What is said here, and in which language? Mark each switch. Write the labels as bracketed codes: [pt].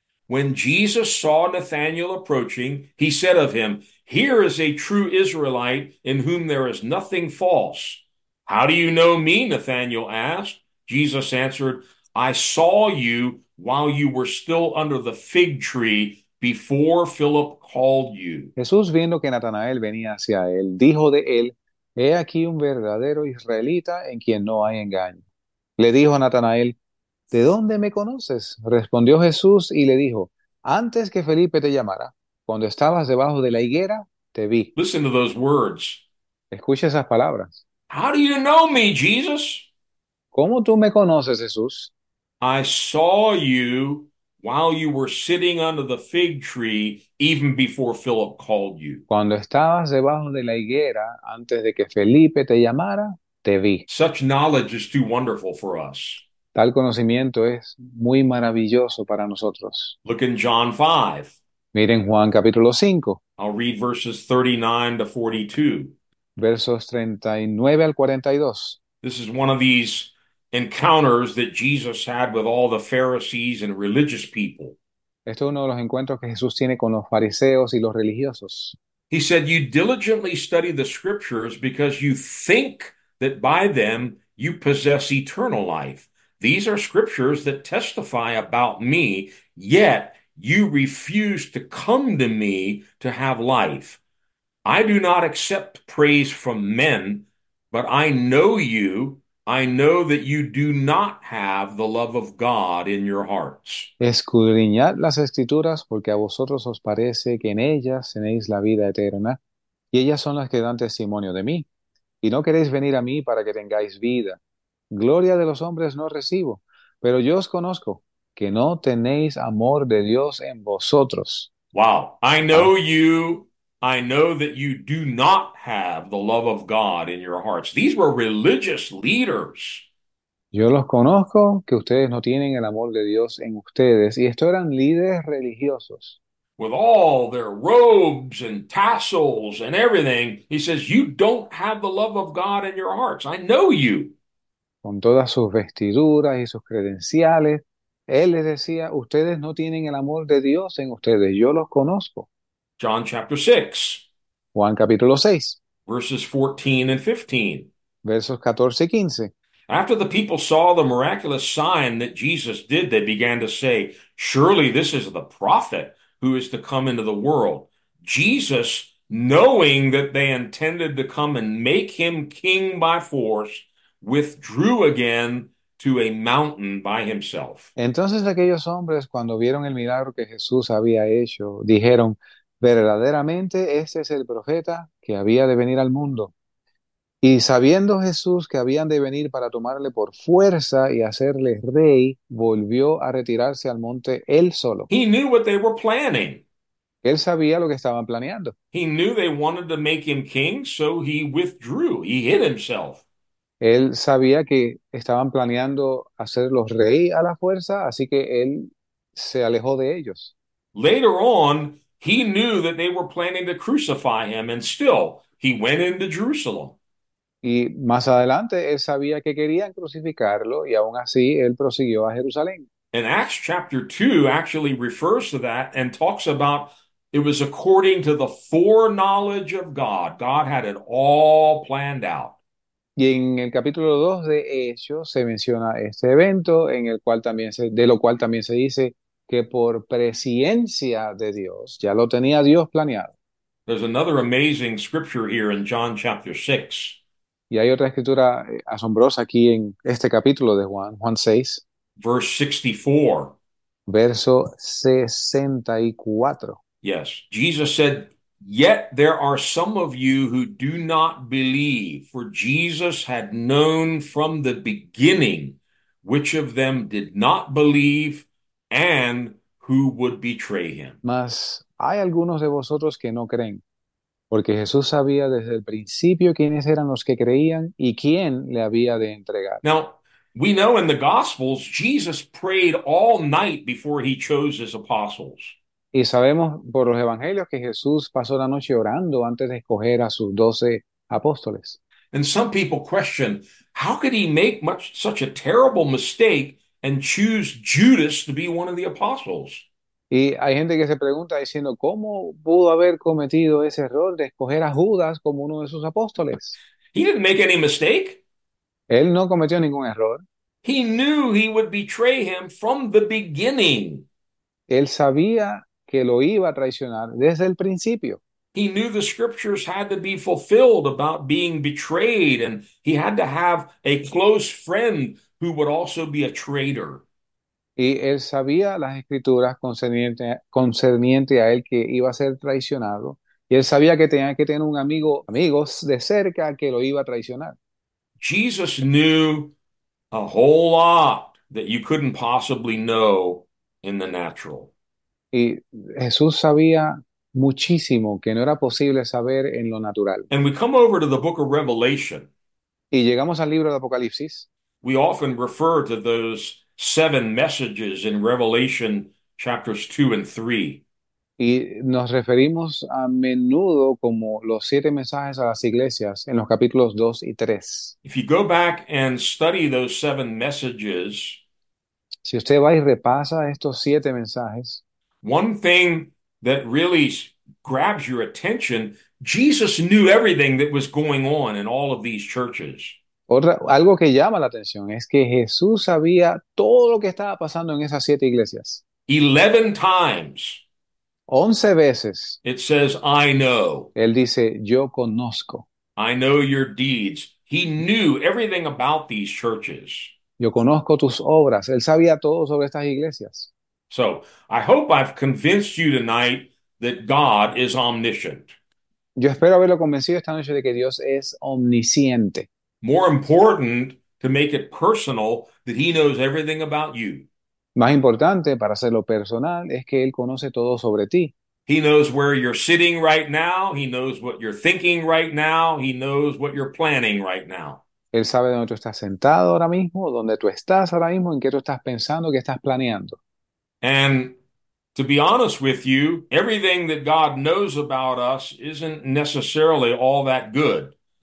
[en] When Jesus saw Nathanael approaching, he said of him, "Here is a true Israelite in whom there is nothing false." "How do you know me?" Nathanael asked. Jesus answered, "I saw you while you were still under the fig tree before Philip called you." [es] Jesús, viendo que Natanael venía hacia él, dijo de él: He aquí un verdadero israelita en quien no hay engaño. Le dijo a Natanael: ¿De dónde me conoces? Respondió Jesús y le dijo: Antes que Felipe te llamara, cuando estabas debajo de la higuera, te vi. [en] Listen to those words. [es] Escucha esas palabras. [en] How do you know me, Jesus? [es] ¿Cómo tú me conoces, Jesús? [en] I saw you while you were sitting under the fig tree, even before Philip called you. [es] Cuando estabas debajo de la higuera, antes de que Felipe te llamara, te vi. [en] Such knowledge is too wonderful for us. [es] Tal conocimiento es muy maravilloso para nosotros. [en] Look in John 5. [es] Miren Juan capítulo 5, [en] I'll read verses 39 to 42. [es] versos 39 al 42. [en] This is one of these encounters that Jesus had with all the Pharisees and religious people. [es] Esto es uno de los encuentros que Jesús tiene con los fariseos y los religiosos. [en] He said, "You diligently study the scriptures because you think that by them you possess eternal life. These are scriptures that testify about me, yet you refuse to come to me to have life. I do not accept praise from men, but I know you. I know that you do not have the love of God in your hearts." [es] Escudriñad las escrituras porque a vosotros os parece que en ellas tenéis la vida eterna y ellas son las que dan testimonio de mí. Y no queréis venir a mí para que tengáis vida. Gloria de los hombres no recibo, pero yo os conozco que no tenéis amor de Dios en vosotros. [en] Wow, I Ah. know you. I know that you do not have the love of God in your hearts. These were religious leaders. [es] Yo los conozco, que ustedes no tienen el amor de Dios en ustedes, y estos eran líderes religiosos. [en] With all their robes and tassels and everything, he says, "You don't have the love of God in your hearts. I know you." [es] Con todas sus vestiduras y sus credenciales, él les decía: Ustedes no tienen el amor de Dios en ustedes, yo los conozco. [en] John chapter 6, [es] Juan capítulo 6, [en] verses 14 and 15. [es] versos 14 y 15. [en] After the people saw the miraculous sign that Jesus did, they began to say, "Surely this is the prophet who is to come into the world." Jesus, knowing that they intended to come and make him king by force, withdrew again to a mountain by himself. [es] Entonces aquellos hombres, cuando vieron el milagro que Jesús había hecho, dijeron: Verdaderamente este es el profeta que había de venir al mundo. Y sabiendo Jesús que habían de venir para tomarle por fuerza y hacerle rey, volvió a retirarse al monte él solo. [en] He knew what they were planning. [es] Él sabía lo que estaban planeando. [en] He knew they wanted to make him king, so he withdrew. He hid himself. [es] Él sabía que estaban planeando hacerlos rey a la fuerza, así que él se alejó de ellos. [en] Later on, he knew that they were planning to crucify him, and still, he went into Jerusalem. [es] Y más adelante él sabía que querían crucificarlo y aún así él prosiguió a Jerusalén. [en] And Acts chapter 2 actually refers to that and talks about it was according to the foreknowledge of God. God had it all planned out. [es] Y en el capítulo 2 de Hechos se menciona este evento en el cual también de lo cual también se dice que por presciencia de Dios ya lo tenía Dios planeado. [en] There's another amazing scripture here in John chapter 6. [es] Y hay otra escritura asombrosa aquí en este capítulo de Juan 6, [en] Verse 64. [es] verso 64. [en] Yes, Jesus said, "Yet there are some of you who do not believe, for Jesus had known from the beginning which of them did not believe and who would betray him." [es] Mas hay algunos de vosotros que no creen, porque Jesús sabía desde el principio quiénes eran los que creían y quién le había de entregar. [en] Now, we know in the Gospels, Jesus prayed all night before he chose his apostles. [es] Y sabemos por los evangelios que Jesús pasó la noche orando antes de escoger a sus 12 apóstoles. [en] And some people question, how could he make much such a terrible mistake and choose Judas to be one of the apostles? [es] Y hay gente que se pregunta diciendo, ¿cómo pudo haber cometido ese error de escoger a Judas como uno de sus apóstoles? [en] He didn't make any mistake. [es] Él no cometió ningún error. [en] He knew he would betray him from the beginning. [es] Él sabía que lo iba a traicionar desde el principio. [en] He knew the scriptures had to be fulfilled about being betrayed, and he had to have a close friend who would also be a traitor. [es] Y él sabía las escrituras concerniente a él que iba a ser traicionado. Y él sabía que tenía que tener un amigos de cerca que lo iba a traicionar. [en] Jesus knew a whole lot that you couldn't possibly know in the natural. [es] Y Jesús sabía muchísimo que no era posible saber en lo natural. [en] And we come over to the book of Revelation. [es] Y llegamos al libro de Apocalipsis. [en] We often refer to those seven messages in Revelation chapters 2 and 3. [es] Y nos referimos a menudo como los siete mensajes a las iglesias en los capítulos 2 y 3. [en] If you go back and study those seven messages, [es] Si usted va y repasa estos siete mensajes, [en] one thing that really grabs your attention, Jesus knew everything that was going on in all of these churches. [es] algo que llama la atención es que Jesús sabía todo lo que estaba pasando en esas siete iglesias. [en] 11 times, [es] 11 veces [en] it says, I know. [es] él dice, yo conozco. [en] I know your deeds. He knew everything about these churches. [es] Yo conozco tus obras. Él sabía todo sobre estas iglesias. [en] So, I hope I've convinced you tonight that God is omniscient. [es] Yo espero haberlo convencido esta noche de que Dios es omnisciente. [en] More important to make it personal that he knows everything about you. [es] Más importante para hacerlo personal es que él conoce todo sobre ti. [en] He knows where you're sitting right now. He knows what you're thinking right now. He knows what you're planning right now. [es] Él sabe dónde tú estás sentado ahora mismo, dónde tú estás ahora mismo, en qué tú estás pensando, qué estás planeando. [en] And to be honest with you, everything that God knows about us isn't necessarily all that good.